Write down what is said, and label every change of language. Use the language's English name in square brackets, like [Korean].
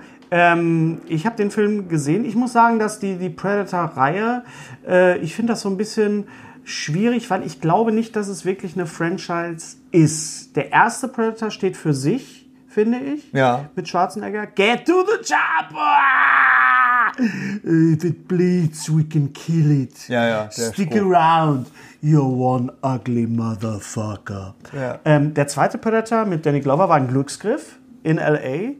[German] Genau. Ich habe den Film gesehen. Ich muss sagen, dass die Predator-Reihe, ich finde das so ein bisschen... schwierig, weil ich glaube nicht, dass es wirklich eine Franchise ist. Der erste Predator steht für sich, finde ich. Ja. Mit Schwarzenegger. [English] Get to the chopper! If it bleeds, we can kill it. [German] Ja, ja. [English] Stick around, you're one ugly motherfucker. [German] Ja. Der zweite Predator mit Danny Glover war ein Glücksgriff in L.A.